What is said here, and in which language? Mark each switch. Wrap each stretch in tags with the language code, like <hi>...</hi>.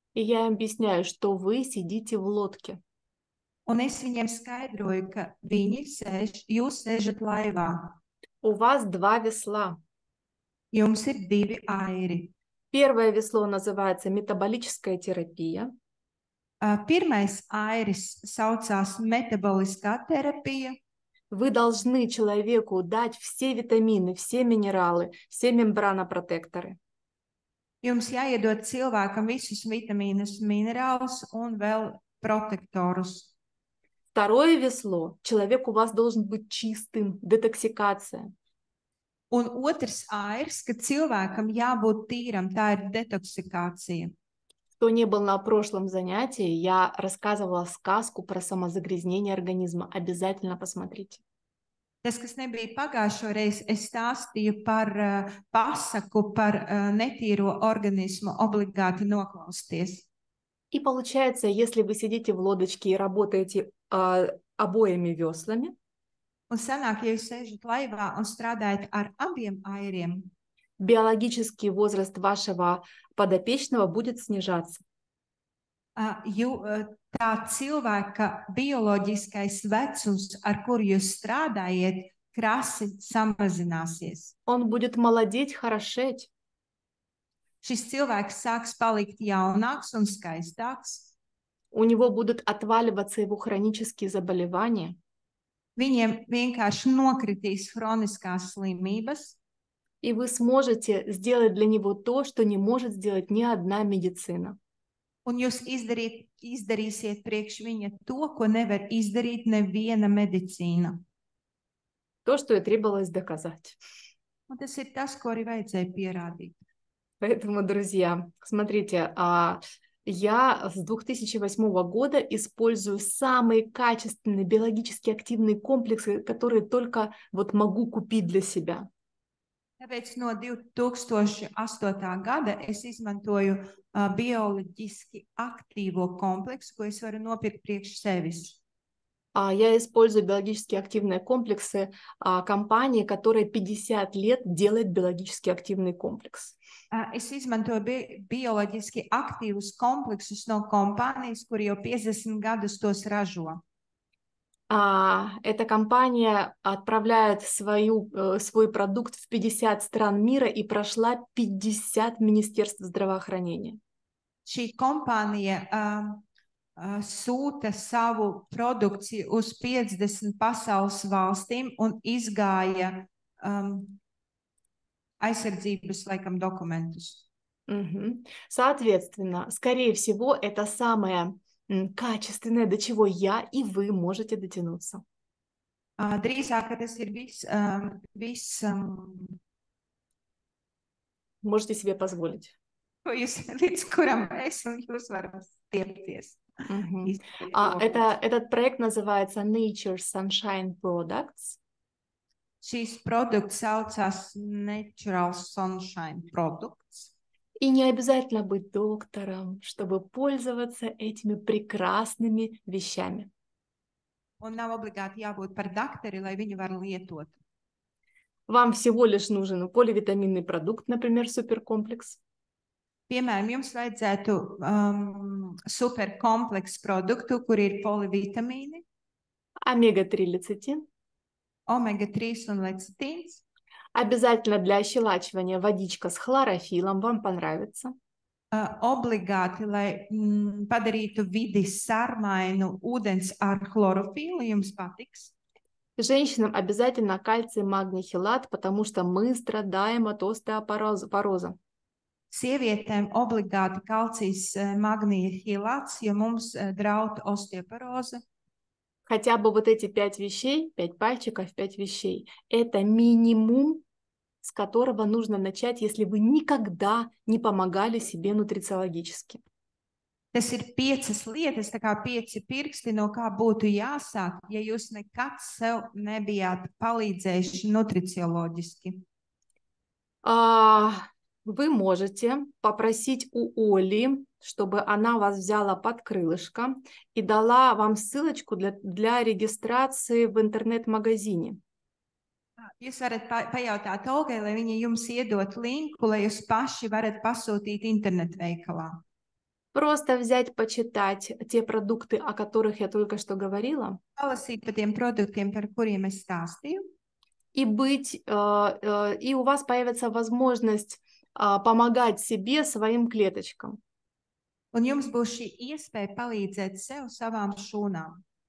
<ru>И я им объясняю, что вы сидите в лодке.</ru> <lv>Un es viņiem skaidroju, ka viņi sēž, jūs sēžat laivā.</lv> <ru>У вас два весла.</ru> <lv>Jums ir divi airi.</lv> <ru>Первое весло называется метаболическая терапия.</ru> <lv>Pirmais airis saucās metaboliskā terapija.</lv> <ru>Вы должны человеку дать все витамины, все минералы, все мембранопротекторы.</ru> <lv>Jums jāiedot cilvēkam visus vitamīnus, minerālus un vēl protektorus.</lv> <ru>Второе весло. Человек у вас должен быть чистым, детоксикация.</ru> <lv>Un otrs airs, ka cilvēkam jābūt tīram, tā ir detoksikācija.</lv> <ru>Кто не был на прошлом занятии, я рассказывала сказку про самозагрязнение организма. Обязательно посмотрите.</ru> <lv>Tas, kas nebija pagājušo reizi, es stāstīju par pasaku, par netīro organismu, obligāti noklausties.</lv> <ru>И получается, если вы сидите в лодочке и работаете обоими веслами,</ru> <lv>un sanāk, ja jūs sēžat laivā un strādājat ar abiem airiem,</lv> <ru>биологический возраст вашего подопечного будет снижаться.</ru> <lv>Tā cilvēka bioloģiskais vecums, ar kuru jūs strādājat, krasi samazināsies.</lv> <ru>Он будет молодеть, хорошеть.</ru> <lv>Šis cilvēks sāks palikt jaunāks un skaistāks.</lv> <ru>У него будут отваливаться его хронические заболевания.</ru> <lv>Viņiem vienkārši nokritīs хроniskās slimības.</lv> <ru>И вы сможете сделать для него то, что не может сделать ни одна медицина.</ru> <lv>Un jūs izdarīsiet priekš viņa to, ko nevar izdarīt neviena medicīna.</lv> <ru>То, что я требовалось доказать.</ru> <lv>Un tas ir tas, ko arī vajadzēja pierādīt.</lv> <ru>Поэтому, друзья, смотрите, я с 2008 года использую самые качественные биологически активные комплексы, которые только вот могу купить для себя.</ru> <lv>Tāpēc no 2008. Gada es izmantoju bioloģiski aktīvo kompleksu, ko es varu nopirkt priekš sevis.</lv> <ru>Я использую биологически активные комплексы компании, которая 50 лет делает биологически активный комплекс.</ru> <lv>Es izmantoju bioloģiski aktīvus kompleksus no kompānijas, kuri jau 50 gadus tos ražo.</lv> <ru>Эта компания отправляет свой продукт в 50 стран мира и прошла 50 министерств здравоохранения.</ru> <lv>Ši kompānija sūta savu produkciju uz 50 pasaules valstīm un izgāja aizsardzības laikam dokumentus.</lv> <ru>Соответственно, скорее всего, это самое качественное, до чего я и вы можете дотянуться. Дрисак, это сервис, вис... Можете себе позволить. А этот проект называется Nature Sunshine Products.</ru> <lv>Šis produkts saucas Natural Sunshine Products.</lv> <ru>И не обязательно быть доктором, чтобы пользоваться этими прекрасными вещами.</ru> <lv>Un nav obligāti jābūt par dakteri, lai viņu var lietot.</lv> <ru>Вам всего лишь нужен поливитаминный продукт, например, суперкомплекс.</ru> <lv>Piemēram, jums vajadzētu superkompleks produktu, kur ir polivitamīni.</lv> <ru>Омега-3 лецитин.</ru> <lv>Омега-3 un лецитинс.</lv> <ru>Обязательно для ощелачивания водичка с хлорофиллом вам понравится.</ru> <lv>Obligāti, lai padarītu vidi sārmainu, ūdens ar chlorophyllu jums patiks.</lv> <ru>Женщинам обязательно кальций, магний, хелат, потому что мы страдаем от остеопороза.</ru> <lv>Sievietēm obligāti kalcijs, magnija, hilats, jo mums draud osteoporoze.</lv> <ru>Хотя бы вот эти пять вещей, пять пальчиков, пять вещей, это минимум, с которого нужно начать, если вы никогда не помогали себе нутрициологически.</ru> <lv>Tas ir piecas lietas, tā kā pieci pirksti, no kā būtu jāsāk, ja jūs nekad sev nebijāt palīdzējuši nutricioloģiski.</lv> <ru>Вы можете попросить у Оли, чтобы она вас взяла под крылышко и дала вам ссылочку для регистрации в интернет-магазине.</ru> <lv>Jūs varat pajautāt Olgai, lai viņa jums iedot linku, lai jūs paši varat pasūtīt internetveikalā.</lv> <ru>Просто взять, почитать те продукты, о которых я только что говорила.</ru> <lv>Palasīt par tiem produktiem, par kuriem es stāstīju.</lv> <ru>И быть, и у вас появится возможность помогать себе, своим клеточкам.</ru> <lv>Un jums būs šī iespēja palīdzēt sev, savām šūnām.</lv>